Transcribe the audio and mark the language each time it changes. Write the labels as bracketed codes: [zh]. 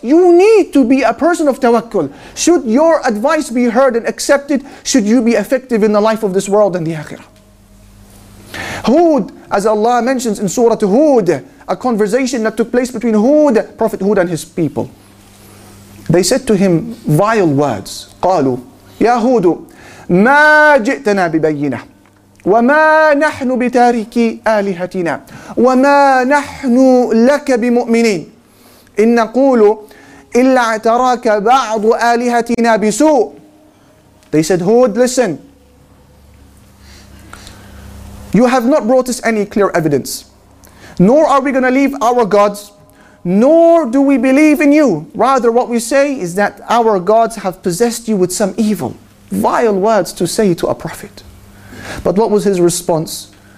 [en] You need to be a person of tawakkul. Should your advice be heard and accepted, should you be effective in the life of this world and the akhirah. Hud, as Allah mentions in Surah Hud, a conversation that took place between Hud, Prophet Hud and his people. They said to him vile words. [ar] قالوا يا هود ما جئتنا ببينة وما نحن بتارك آلهتنا وما نحن لك بمؤمنين إن نقول إلا اعتراك بعض آلهتنا بسوء. [en] They said, Hud, listen. You have not brought us any clear evidence. Nor are we going to leave our gods, nor do we believe in you. Rather, what we say is that our gods have possessed you with some evil. Vile words to say to a prophet. But what was his response?